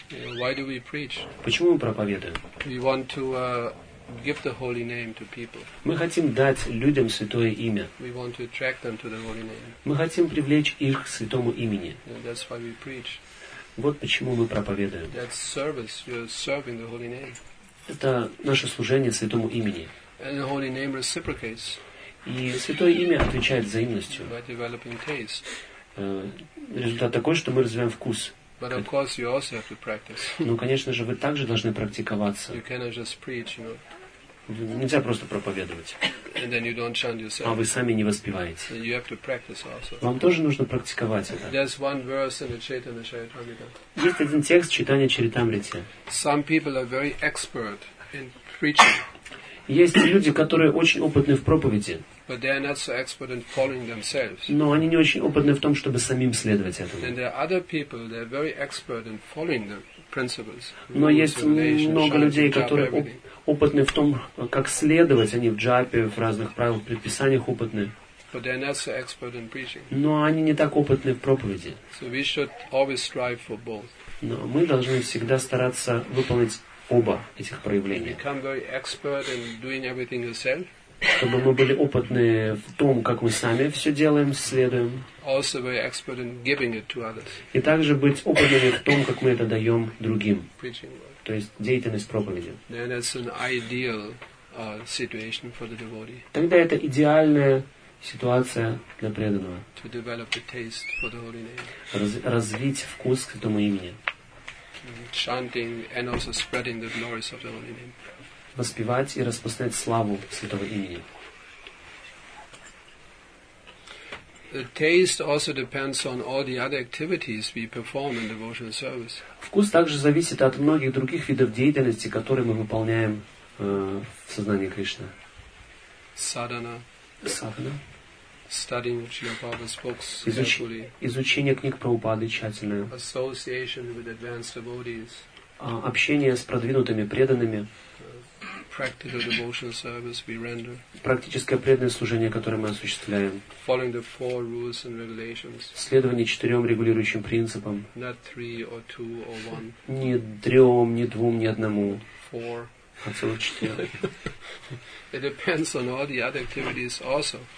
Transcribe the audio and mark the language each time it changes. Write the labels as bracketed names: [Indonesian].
[English] Why do we preach? [Russian] Почему мы проповедуем? [English] We want to give the holy name to people. [Russian] Мы хотим дать людям святое имя. [English] We want to attract them to the holy name. [Russian] Мы хотим привлечь их к святому имени. [English] And that's why we preach. [Russian] Вот почему мы проповедуем. [English] That's service. You're serving the holy name. [Russian] Это наше служение святому имени. [English] And the holy name reciprocates. [Russian] И святое имя отвечает взаимностью. [English] By developing taste. [Russian] Результат такой, что мы развиваем вкус. [English] But of course you also have to practice. [Russian] Но, конечно же, вы также должны практиковаться. [English] You cannot just preach, you know. [Russian] Нельзя просто проповедовать. [English] And then you don't chant yourself. [Russian] А вы сами не воспеваете. [English] So you have to practice also. [Russian] Вам тоже нужно практиковать это. [English] There's one verse in the Chaitanya Charitamrita. [Russian] Есть один текст в Чайтанья Чаритамрите. [English] Some people are very expert in preaching. [Russian] Есть люди, которые очень опытны в проповеди. [English] But they are not so expert in following themselves. [Russian] Но они не очень опытны в том, чтобы самим следовать этому. [English] And there are other people, they are very expert in following the principles. [Russian] Но есть много людей, которые опытны в том, как следовать. Они в джапе, в разных правилах, предписаниях опытны. [English] But they are not so expert in preaching. [Russian] Но они не так опытны в проповеди. [English] So we should always strive for both. [Russian] Но мы должны всегда стараться выполнить оба этих проявления. [English] You become very expert in doing everything yourself. [Russian] чтобы мы были опытны в том, как мы сами все делаем, следуем. [English] Also be expert in giving it to others. [Russian] И также быть опытными в том, как мы это даем другим. То есть деятельность проповеди. [English] Then that's an ideal, situation for the devotee. [Russian] Тогда это идеальная ситуация для преданного. [English] To develop the taste for the holy name. [Russian] Развить вкус к этому имени. [English] Chanting and also spreading the glories of the holy name. [Russian] Воспевать и распространять славу Святого имени. [English] The taste also depends on all the other activities we perform in devotional service. [Russian] Вкус также зависит от многих других видов деятельности, которые мы выполняем в сознании Кришны. [English] Sadhana. [Russian] Sadhana. [English] Studying Srila Prabhupada's books carefully. [Russian] Изучение книг Прабхупады тщательное. [English] Association with advanced devotees. [Russian] Общение с продвинутыми преданными. [English] Practical devotional service we render. [Russian] Практическое преданное служение, которое мы осуществляем. [English] Following the four rules and regulations. [Russian] Следование четырем регулирующим принципам. [English] Not three or two or one. [Russian] Ни трем, ни двум, ни одному. [English] Four. [Russian] А целых четыре. [English] It depends on all the other activities also.